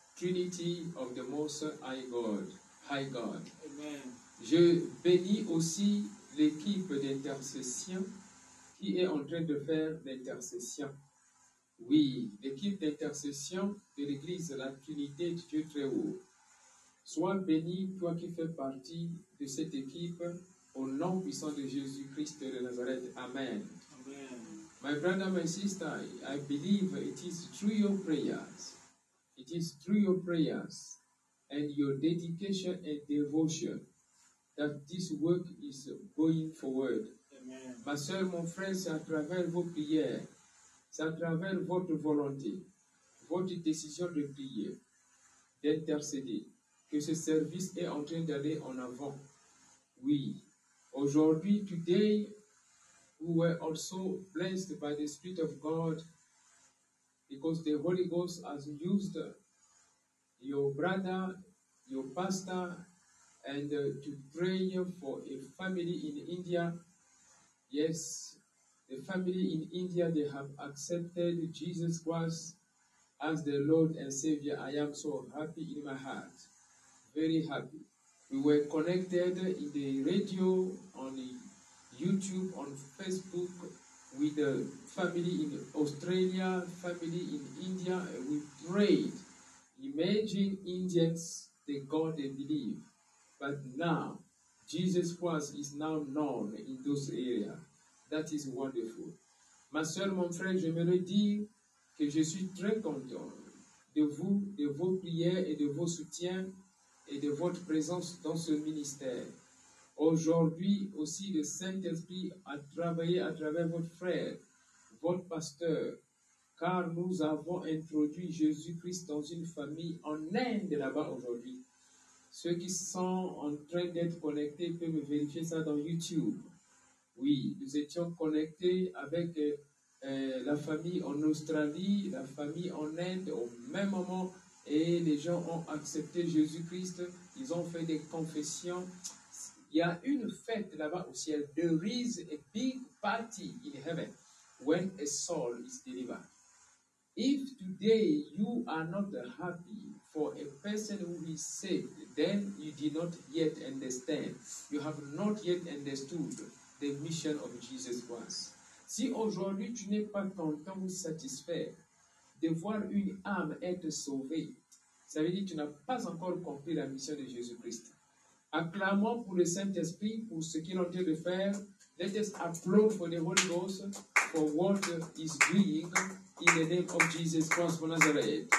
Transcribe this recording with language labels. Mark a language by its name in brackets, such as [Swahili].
[English] Trinity of the Most High God, High God. Amen. [French] Je bénis aussi l'équipe d'intercession qui est en train de faire l'intercession. Oui, l'équipe d'intercession de l'Église, la Trinité de Dieu Très-Haut. Sois béni, toi qui fais partie de cette équipe, au nom puissant de Jésus-Christ de Nazareth. Amen. Amen. [English] My brother, my sister, I believe it is through your prayers. It is through your prayers and your dedication and devotion that this work is going forward. Amen. [French] Ma soeur, mon frère, c'est à travers vos prières, c'est à travers votre volonté, votre décision de prier, d'intercéder, que ce service est en train d'aller en avant. Oui. Aujourd'hui, [English] today, we were also blessed by the Spirit of God because the Holy Ghost has used your brother, your pastor, and to pray for a family in India. Yes, the family in India, they have accepted Jesus Christ as the Lord and Savior. I am so happy in my heart, very happy. We were connected in the radio, on YouTube, on Facebook, with the family in Australia, family in India. We prayed. Imagine Indians, the God they believe. But now, Jesus Christ is now known in those areas. That is wonderful. [French] Ma soeur, mon frère, je me le dis que je suis très content de vous, de vos prières et de vos soutiens et de votre présence dans ce ministère. Aujourd'hui aussi, le Saint-Esprit a travaillé à travers votre frère, votre pasteur, car nous avons introduit Jésus-Christ dans une famille en Inde là-bas aujourd'hui. Ceux qui sont en train d'être connectés peuvent vérifier ça dans YouTube. Oui, nous étions connectés avec la famille en Australie, la famille en Inde au même moment. Et les gens ont accepté Jésus-Christ, ils ont fait des confessions. Il y a une fête là-bas au ciel. [English] There is a big party in heaven when a soul is delivered. If today you are not happy for a person who is saved, then you did not yet understand. You have not yet understood the mission of Jesus Christ. [French] Si aujourd'hui tu n'es pas content ou satisfait de voir une âme être sauvée, ça veut dire que tu n'as pas encore compris la mission de Jésus-Christ. Acclamons pour le Saint-Esprit, pour ce qu'il est en train de faire. [English] Let us applaud for the Holy Ghost, for what is doing in the name of Jesus Christ of Nazareth.